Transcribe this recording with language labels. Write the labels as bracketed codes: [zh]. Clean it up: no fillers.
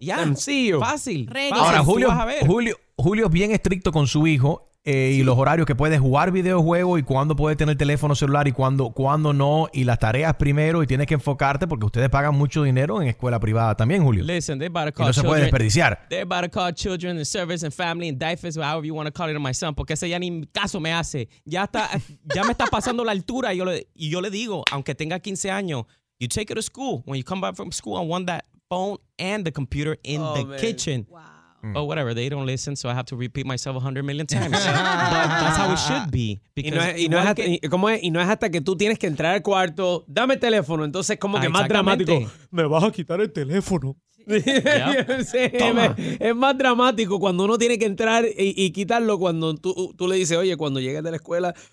[es] Ya, fácil. Reglas. Ahora, Julio es bien estricto con su hijo. y los horarios que puedes jugar videojuegos y cuándo puedes tener teléfono celular y cuándo no, y las tareas primero, y tienes que enfocarte porque ustedes pagan mucho dinero en escuela privada también, Julio. [en] Listen, they about to call [es] y no [en] children, [es] se puede desperdiciar. [en] They're about to call children and service and family and diapers, however you want to call it, my son, [es] porque ese ya ni caso me hace. Ya está, ya me está pasando la altura, y yo le digo, aunque tenga 15 años, [en] you take it to school. When you come back from school, I want that phone and the computer in the man. Kitchen. Wow. But whatever, they don't listen, so I have to repeat myself 100 million times. But that's how it should be. [es] Y no es hasta que tú tienes que entrar al cuarto, dame teléfono, entonces como que más dramático. Me vas a quitar el teléfono. Sí. Yep. Sí, es más dramático cuando uno tiene que entrar y quitarlo cuando tú le dices, oye, cuando llegues de la escuela,